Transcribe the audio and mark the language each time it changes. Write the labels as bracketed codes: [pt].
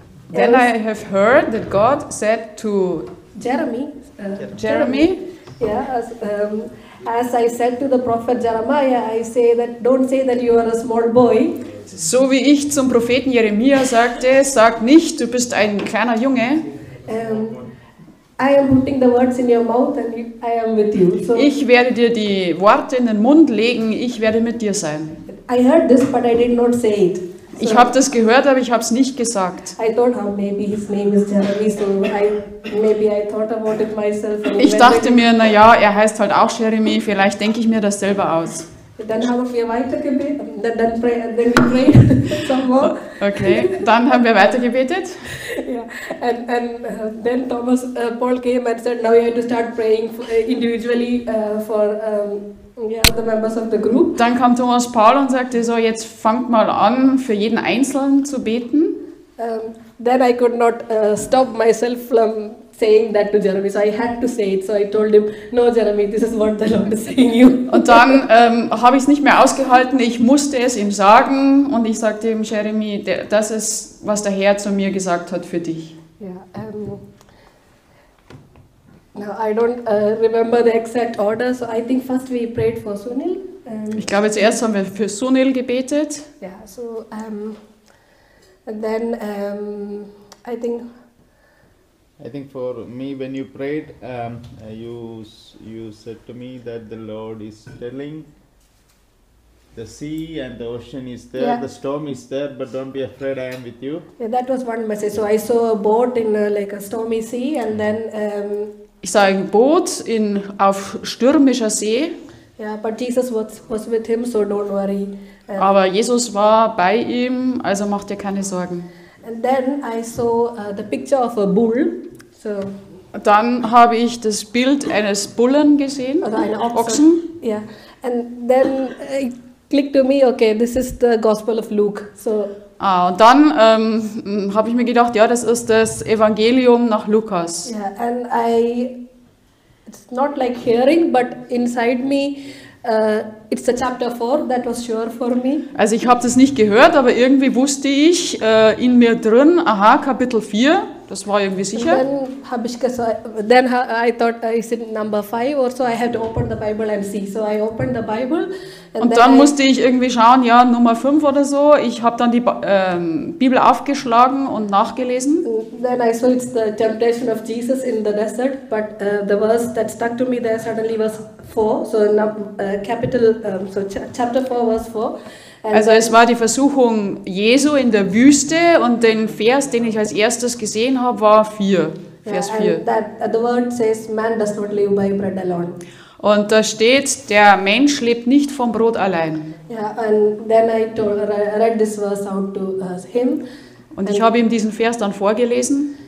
[en] Then I have heard that God said to Jeremy. Jeremy. Yeah. As I said to the prophet Jeremiah, I say that don't say that you are a small boy. [de] So wie ich zum Propheten Jeremia sagte, sag nicht, du bist ein kleiner Junge. [en] I am putting the words in your mouth and I am with you. So [de] ich werde dir die Worte in den Mund legen, ich werde mit dir sein. [en] I heard this, but I did not say it. [de] Ich habe das gehört, aber ich habe es nicht gesagt. [en] I thought, oh, maybe his name is Jeremy, so maybe I thought about it myself. [de] Ich dachte mir, na ja, er heißt halt auch Jeremy, vielleicht denke ich mir das selber aus. Dann haben wir weitergebetet. [en] Then we prayed some more. [de] Okay, dann haben wir weitergebetet. [en] Yeah, and then Thomas Paul came and said, now you have to start praying individually for. The members of the group. [de] Dann kam Thomas Paul und sagte so, jetzt fangt mal an, für jeden Einzelnen zu beten. [en] Then I could not stop myself from saying that to Jeremy, so I had to say it. So I told him, no, Jeremy, this is what the Lord is saying you. [de] Und dann habe ich es nicht mehr ausgehalten. Ich musste es ihm sagen und ich sagte ihm, Jeremy, das ist was der Herr zu mir gesagt hat für dich. [en] No, I don't remember the exact order, so I think first we prayed for Sunil. [de] Ich glaube, zuerst haben wir für Sunil gebetet. [en] Yeah, so, and then, I think... I think for me, when you prayed, you said to me that the Lord is telling the sea and the ocean is there, yeah. The storm is there, but don't be afraid, I am with you. Yeah, that was one message. So I saw a boat in like a stormy sea, and then... [de] Ich sah ein Boot auf stürmischer See. [en] Yeah, but Jesus was with him, so don't worry. [de] Aber Jesus war bei ihm, also mach dir keine Sorgen. [en] And then I saw the picture of a bull. So. [de] Dann habe ich das Bild eines Bullen gesehen. Oder eine Ochsen. [en] Yeah, and then it clicked to me, okay, this is the Gospel of Luke. So. [de] Ah, und dann habe ich mir gedacht, ja, das ist das Evangelium nach Lukas. [en] Yeah, and I, it's not like hearing, but inside me, it's the chapter 4, that was sure for me. [de] Also ich habe das nicht gehört, aber irgendwie wusste ich in mir drin, aha, Kapitel 4, das war irgendwie sicher. [en] And then [de] habe ich gesagt, [en] then I thought, is it number 5 or so, I have to open the Bible and see. So I opened the Bible. [de] Und dann musste ich irgendwie schauen, ja, Nummer 5 oder so. Ich habe dann die Bibel aufgeschlagen und nachgelesen. [en] Then I saw it's the temptation of Jesus in the desert, but the verse that stuck to me there suddenly was 4. So chapter 4 verse 4. [de] Also es war die Versuchung Jesu in der Wüste und den Vers, den ich als erstes gesehen habe, war 4. Vers 4. [en] The word says man does not live by bread alone. [de] Und da steht, der Mensch lebt nicht vom Brot allein. [en] Yeah, and then I read this verse out to him. [de] Und ich habe ihm diesen Vers dann vorgelesen.